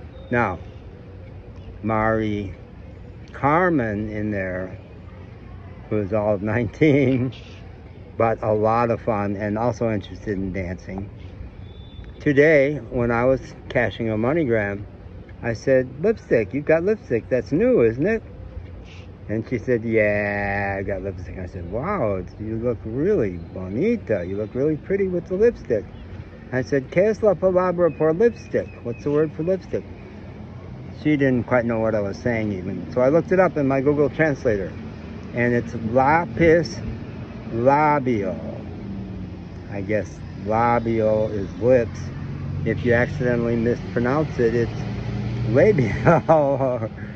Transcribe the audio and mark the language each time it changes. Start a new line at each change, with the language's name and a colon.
English: Now, Mari Carmen in there, who's all 19, but a lot of fun and also interested in dancing. Today, when I was cashing a MoneyGram, I said, lipstick, you've got lipstick. That's new, isn't it? And she said, yeah, I got lipstick. I said, wow, you look really
Spanish: bonita.
English: You look really pretty with the lipstick. I said,
Spanish: ¿Qué es la palabra por lipstick?
English: What's the word for lipstick? She didn't quite know what I was saying even. So I looked it up in my Google Translator. And it's lapis labial. I guess labial is lips. If you accidentally mispronounce it, it's labial.